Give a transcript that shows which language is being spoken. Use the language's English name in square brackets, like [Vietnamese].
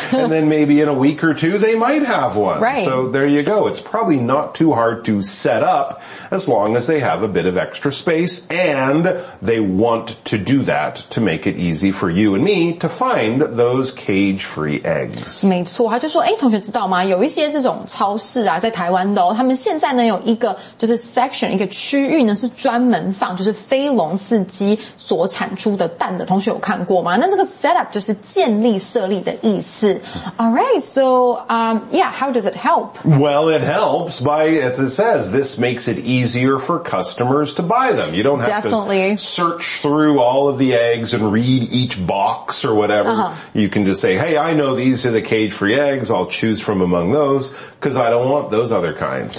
[English] And then maybe in a week or two, they might have one. Right. So there you go. It's probably not too hard to set up as long as they have a bit of extra space and they want to do that to make it easy for you and me to find those cage-free eggs. [Chinese] 没错，他就说，诶，同学知道吗？有一些这种超市啊，在台湾的哦，他们现在呢有一个就是 section 一个区域呢是专门放就是非笼饲鸡所产出的蛋的。同学有看过吗？那这个 setup 就是建立设立的意思。 [English] All right, so yeah, how does it help? Well, it helps by, as it says, this makes it easier for customers to buy them. You don't have Definitely. To search through all of the eggs and read each box or whatever. Uh-huh. You can just say, hey, I know these are the cage-free eggs. I'll choose from among those because I don't want those other kinds.